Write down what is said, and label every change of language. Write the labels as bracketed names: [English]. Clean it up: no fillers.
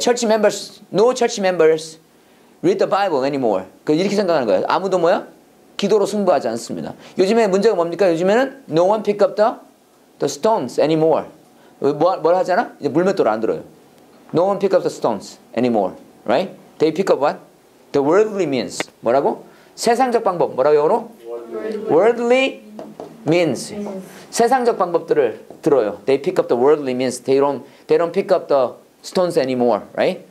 [English] Church members, no church members read the Bible anymore. [Korean] 그 이렇게 생각하는 거예요. 아무도 뭐야? 기도로 승부하지 않습니다. 요즘에 문제가 뭡니까? 요즘에는 no one pick up the stones anymore. 뭘 하잖아? 이제 물맷돌을 안 들어요. [English] No one pick up the stones anymore. Right? They pick up what? The worldly means. [Korean] 뭐라고? 세상적 방법. 뭐라고 영어로? [English] Worldly means. [Korean] 세상적 방법들을 들어요. [English] They pick up the worldly means. They don't pick up the stones anymore, right?